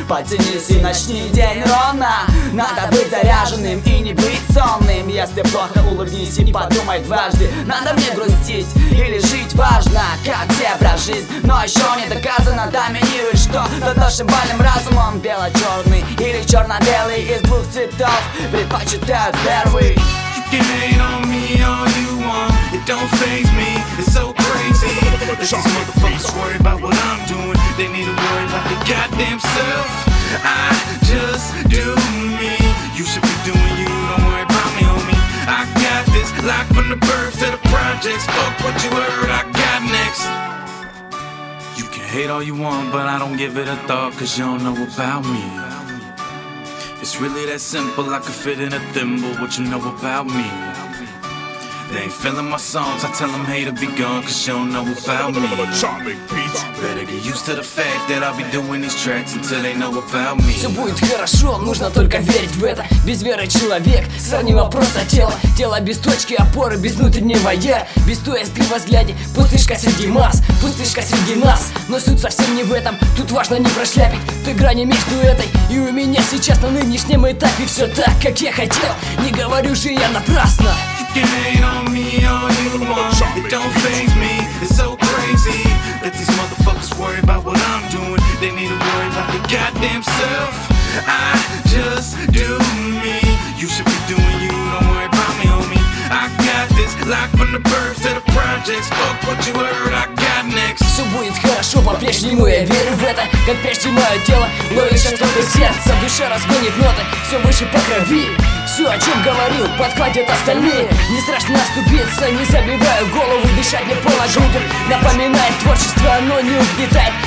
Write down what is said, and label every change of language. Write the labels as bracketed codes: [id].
[ru] Потянись и начни день ровно. Надо быть заряженным и не быть сонным. Если плохо, улыбнись и подумай дважды. Надо мне грустить или жить важно. Как зебра жизнь, но еще не доказано. Доминируй что над нашим больным разумом. Бело-черный или черно-белый из двух цветов. Предпочитаю первый. [en] You can hate on me all you want. It don't faze me, it's so crazy. These motherfuckers worry about what I'm doing. They need to worry about their goddamn self. I just do me. You should be doing you, don't worry about me, homie. I got this, like from the birth to the projects. Fuck what you heard, I got next. You can hate all you want, but I don't give it a thought. Cause you don't know about me. It's really that simple, I could fit in a thimble. What you know about me? They ain't feeling my songs, I tell them hey to be gone. Cause you don't know about me. Better get used to the fact that I'll be doing these tracks until they know about me. [ru] Все будет хорошо, нужно только верить в это. Без веры человек, сравнимо просто тело. Тело без точки опоры, без внутреннего я. Без туэстри во взгляде, пустышка среди масс. Пустышка среди нас, но суть совсем не в этом. Тут важно не прошляпить той грани между этой. И у меня сейчас на нынешнем этапе все так, как я хотел. Не говорю же я напрасно. [en] You can hate on me all you want. It don't faze me, it's so crazy. Let these motherfuckers worry about what I'm doing. They need to worry about their goddamn self. I just do me. You should be doing you, don't worry about me, homie. I got this, like from the birth to the projects. Fuck what you heard, I got next. [ru] Все будет хорошо, по-прежнему я верю в это. Как прежде мое дело, ловит сейчас только сердце. Душа разгонит ноты, все выше по крови. Все, о чем говорил, подхватят остальные. Не страшно оступиться, не забиваю голову. Дышать не положу, напоминает творчество, оно не угнетает.